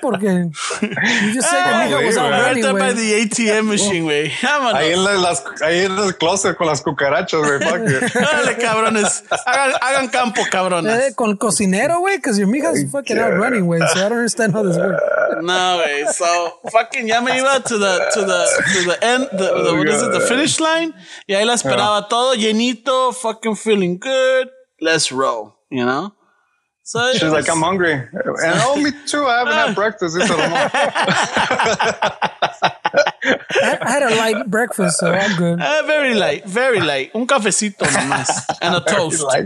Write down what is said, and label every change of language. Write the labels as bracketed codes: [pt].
[en] Porque you just said that it was already, by the ATM machine, güey. [es] Ahí en el closet con las cucarachas, güey. Dale, cabrones. Hagan campo, cabrones. Con el cocinero, güey, [en] because your mija's fucking out running, way, so I don't understand how this works. No, way. So fucking [es] ya me iba [en] to the end, the finish line. [es] Y ahí la esperaba todo llenito, [en] fucking feeling good. Let's roll, you know. So she's like, I'm hungry, and oh, me too. I haven't had breakfast. It's a I had a light breakfast, so I'm good. Very light, very light. [es] Un cafecito nomás [en] and a toast.